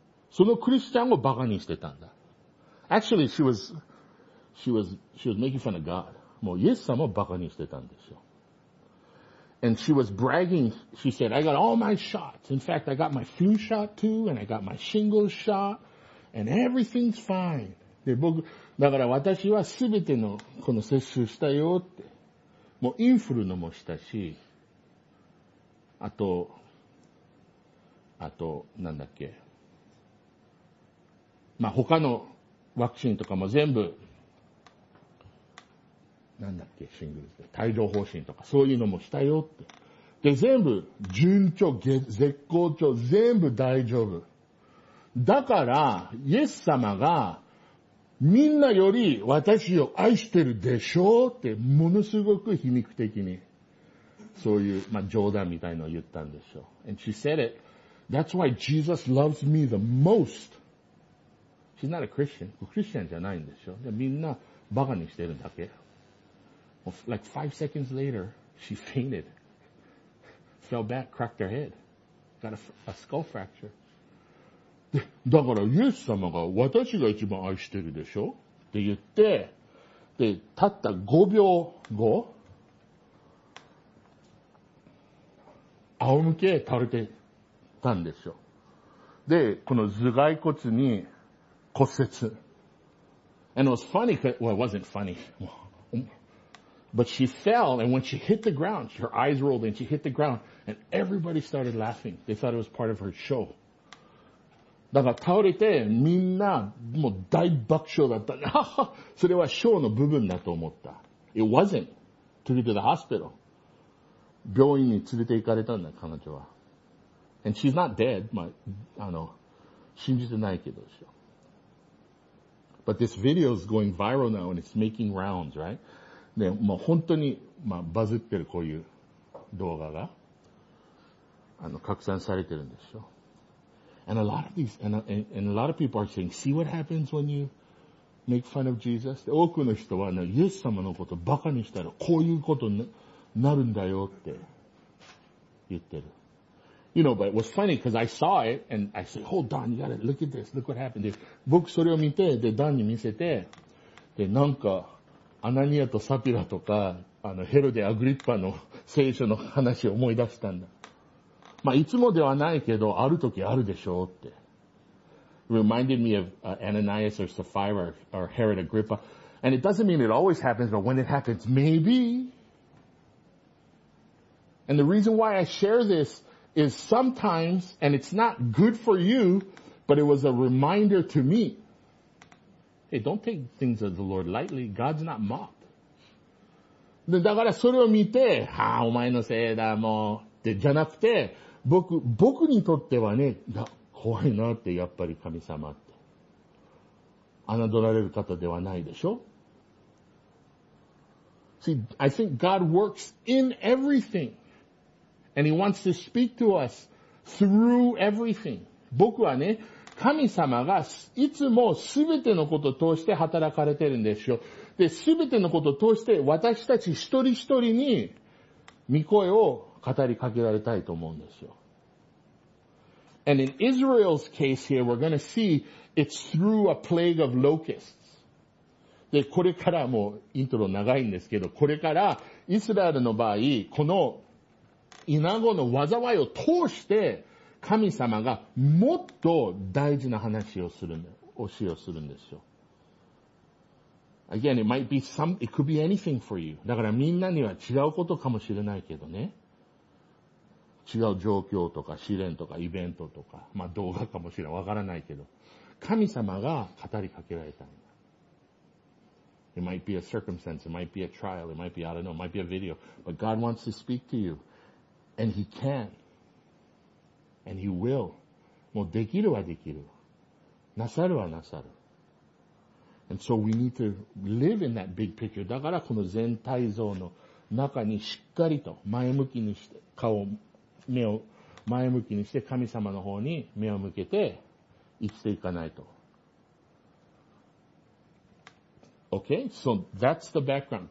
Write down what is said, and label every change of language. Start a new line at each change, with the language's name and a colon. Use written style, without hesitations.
Japanese: そのクリスチャンをバカにしてたんだ。
English: Actually, she was making fun of God.
Japanese: もうイエス様をバカにしてたんですよ。
English: And she was bragging, she said, I got all my shots. In fact, I got my flu shot too, and I got my shingles shot, and everything's fine.
Japanese: で、僕、だから私はすべてのこの接種したよって。もうインフルのもしたし、あと、なんだっけ。まあ他のワクチンとかも全部、なんだっけシングルって。帯状疱疹とか、そういうのもしたよって。で、全部、順調、絶好調、全部大丈夫。だから、イエス様が、みんなより私を愛してるでしょうって、ものすごく皮肉的に、そういう、まあ、冗談みたいのを言ったんでしょう。
English: And she said it, that's why Jesus loves me the most. She's not a Christian.
Japanese: クリスチャンじゃないんでしょう。で、みんな、バカにしてるだけ。
English: Like 5 seconds later, she fainted, fell back, cracked her head, got a skull fracture.
Japanese: だから、イエス様が私が一番愛してるでしょって言って、で、たった5秒後、仰向け倒れてたんですよ。で、この頭蓋骨に骨折。
English: And it was funny, well, it wasn't funny. But she fell, and when she hit the ground, her eyes rolled, and she hit the ground, and everybody started laughing. They thought it was part of her show.
Japanese: だから倒れてみんなもう大爆笑だった。それはショーの部分だと思った。
English: It wasn't. Took her to the hospital.
Japanese: 病院に連れて行かれたんだ、彼女は。
English: And she's not dead.
Japanese: まあ、信じてないけどでしょ。
English: But this video is going viral now and it's making rounds, right?
Japanese: で、もう本当に、まあ、バズってるこういう動画が、拡散されてるんでしょ。
English: And a lot of these, and a lot of people are saying, see what happens when you make fun of Jesus?
Japanese: 多くの人は、イエス様のことバカにしたらこういうことになるんだよって言ってる。
English: You know, but it was funny because I saw it and I said, hold on, you gotta look at this, look what happened.
Japanese: 僕それを見て、で、ダンに見せて、で、なんか、アナニアとサピラとか、ヘロデ・アグリッパの聖書の話を思い出したんだ。まあ、いつもではないけど、ある時あるでしょうって。
English: Reminded me of Ananias or Sapphira or Herod Agrippa. And it doesn't mean it always happens, but when it happens, maybe. And the reason why I share this is sometimes, and it's not good for you, but it was a reminder to me. Hey, don't take things of the Lord lightly. God's not mocked.
Japanese: だからそれを見て、はぁ、お前のせいだ、もう。じゃなくて、僕にとってはね、怖いなって、やっぱり神様って。侮られる方ではないでしょ?
English: See, I think God works in everything. And He wants to speak to us through everything.
Japanese: 僕はね、神様がいつもすべてのことを通して働かれてるんですよ。で、すべてのことを通して私たち一人一人に御声を語りかけられたいと思うんですよ。
English: And in Israel's case here, we're going to see it's through a plague of locusts.
Japanese: で、これからもうイントロ長いんですけど、これからイスラエルの場合、このイナゴの災いを通して神様がもっと大事な話をするんで、教えをするんですよ。
English: Again, it could be anything for you.
Japanese: だからみんなには違うことかもしれないけどね。違う状況とか試練とかイベントとか、まあ動画かもしれない。わからないけど。神様が語りかけられたんだ。
English: It might be a circumstance, it might be a trial, it might be, I don't know, it might be a video, but God wants to speak to you. And He can. And He will.
Japanese: もうできるはできる。なさるはなさる。
English: And so we need to live in that big picture.
Japanese: だからこの全体像の中にしっかりと前向きにして、目を前向きにして神様の方に目を向けて生きていかないと。
English: Okay? So that's the background.